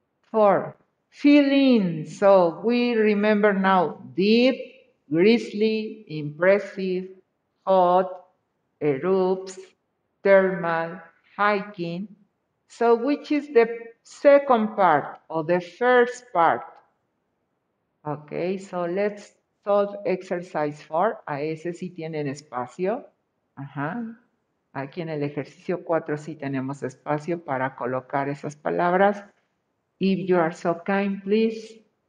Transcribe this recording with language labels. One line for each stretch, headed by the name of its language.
English: Four, fill in. So we remember now deep, grisly, impressive, hot, erupts, thermal, hiking. So which is the second part or the first part? Okay, so let's solve exercise 4.
Spanish: A ese sí tienen espacio. Ajá. Aquí en el ejercicio 4 sí tenemos espacio para colocar esas palabras.
English: If you are so kind, please.